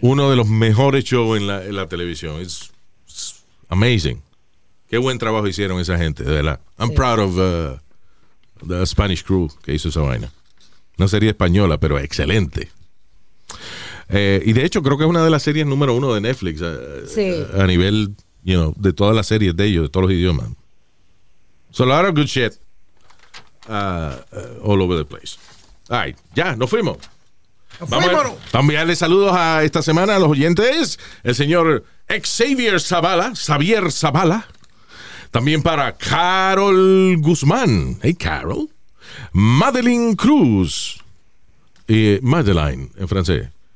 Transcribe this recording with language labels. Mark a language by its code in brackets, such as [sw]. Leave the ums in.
[es] Uno de los mejores shows en la, en la televisión. [en] It's, it's, amazing. [es] Qué buen trabajo hicieron esa gente, de verdad. [en] I'm sí, proud sí. of uh, the Spanish crew [es] que hizo esa vaina. una serie española, pero excelente. Eh, y de hecho, creo que es una de las series número uno de Netflix uh, sí. uh, a nivel [en] you know, [es] de todas las series de ellos, de todos los idiomas. [en] So a lot of good shit all over the place. Ay, right. [es] ya, nos fuimos. Vamos a, saludos a esta semana a los oyentes. El señor Xavier Zavala, Xavier Zavala. También para Carol Guzmán. Hey, Carol. Madeline Cruz. Eh, Madeline, en francés.